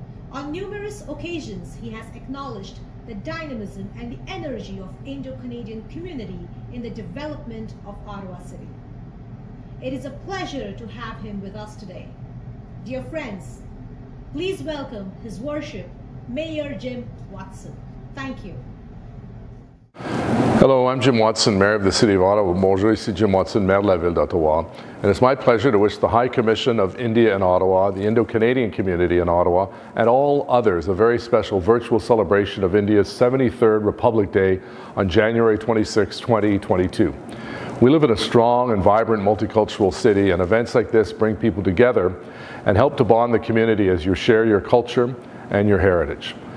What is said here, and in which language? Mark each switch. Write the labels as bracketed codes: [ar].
[en] On numerous occasions, he has acknowledged the dynamism and the energy of Indo-Canadian community in the development of Ottawa City. It is a pleasure to have him with us today. Dear friends, please welcome His Worship, Mayor Jim Watson. Thank you. Hello, I'm Jim Watson, Mayor of the City of Ottawa. [fr] Bonjour, ici Jim Watson, Maire de la Ville d'Ottawa. [en] And it's my pleasure to wish the High Commission of India in Ottawa, the Indo-Canadian community in Ottawa, and all others a very special virtual celebration of India's 73rd Republic Day on January 26, 2022. We live in a strong and vibrant multicultural city, and events like this bring people together and help to bond the community as you share your culture and your heritage.